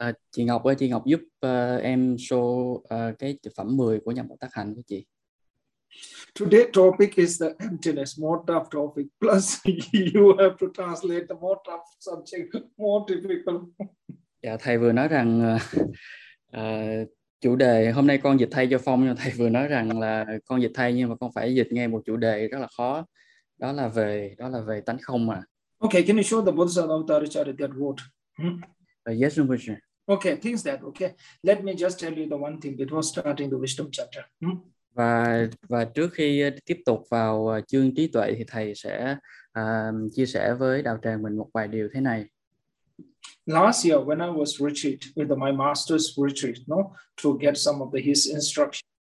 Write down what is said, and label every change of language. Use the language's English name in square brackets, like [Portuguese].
[Vietnamese] Chị Ngọc ơi, chị Ngọc giúp em show cái phẩm 10 của Nhập Bồ Tát Hạnh của chị. [English] Today's topic is the emptiness, more tough topic. Plus, you have to translate the more tough subject, more difficult. [Vietnamese] Dạ, thầy vừa nói rằng chủ đề hôm nay con dịch thay cho Phong, nhưng thầy vừa nói rằng là con dịch thay nhưng mà con phải dịch ngay một chủ đề rất là khó. Đó là về tánh không mà. [English] Okay, can you show the Bodhisattva Avataracharya that word? Yes, no question. Okay, things that, okay. Let me just tell you the one thing. It was starting the wisdom chapter. [Vietnamese] Và trước khi tiếp tục vào chương trí tuệ thì thầy sẽ chia sẻ với đạo tràng mình một vài điều thế này. [English] Last year when I was retreat with my master's retreat, no, to get some of his instruction.